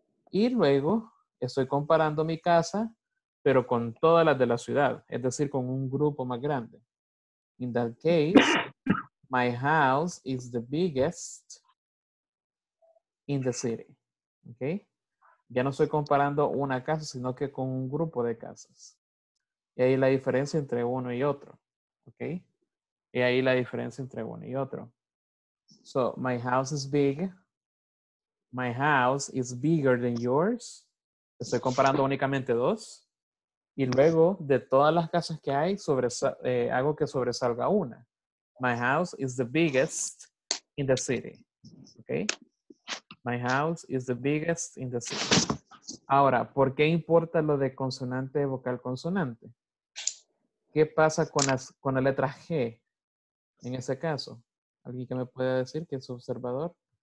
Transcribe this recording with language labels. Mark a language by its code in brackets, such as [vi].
[es] Y luego estoy comparando mi casa, pero con todas las de la ciudad, es decir, con un grupo más grande. [en] In that case, my house is the biggest in the city. Okay? [es] Ya no estoy comparando una casa, sino que con un grupo de casas. Y ahí la diferencia entre uno y otro. Okay? Y ahí la diferencia entre uno y otro. [en] So, my house is big. My house is bigger than yours. [es] Estoy comparando únicamente dos. Y luego, de todas las casas que hay, hago que sobresalga una. [en] My house is the biggest in the city. Okay? My house is the biggest in the city. [es] Ahora, ¿por qué importa lo de consonante, vocal, consonante? ¿Qué pasa con la letra G en ese caso? ¿Alguien que me pueda decir que es observador?